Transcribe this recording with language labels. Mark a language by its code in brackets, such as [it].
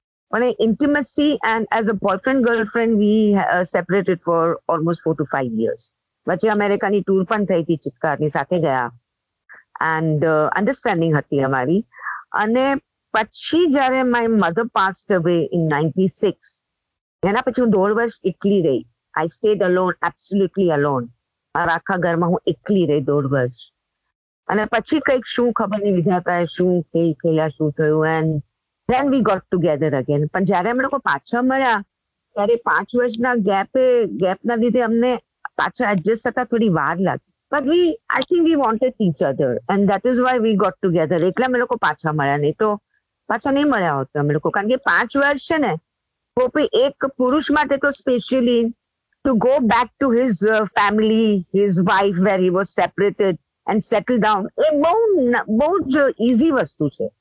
[en] પણ એ intimacy and as a boyfriend girlfriend we separated for almost 4-5 years. [gu] પછી અમેરિકાની tour પણ થઈ હતી ચિત્કારની સાથે ગયા એન્ડ અન્ડરસ્ટેન્ડિંગ હતી અમારી. અને પછી જ્યારે [en] my mother passed away in 96 [gu] એના પછી હું 1.5 વર્ષ એકલી રહી. [en] I stayed alone, absolutely alone. [gu] Aur aakha ghar mein hu ekli rahi 2 varsh. અને પછી કઈક શું ખબર નહીં વિધાતા શું કઈ ખેલા શું થયું [en] And then we got together again. [gu] પણ જયારે અમે લોકો પાછા મળ્યા ત્યારે 5 વર્ષના ગેપના લીધે અમને પાછા એડજસ્ટ થતા થોડી વાર લાગી. [en] But we, I think we wanted each other and that is why we got together. [gu] એકલા મે લોકો પાછા મળ્યા નહીં તો પાછા નહીં મળ્યા હોત અમે લોકો. કારણ કે 5 વર્ષ છે ને કોઈ એક પુરુષ માટે તો specially [en] to go back to his family his wife where he was separated and settle down [gu] એ બહુ બહુ જ ઇઝી વસ્તુ છે.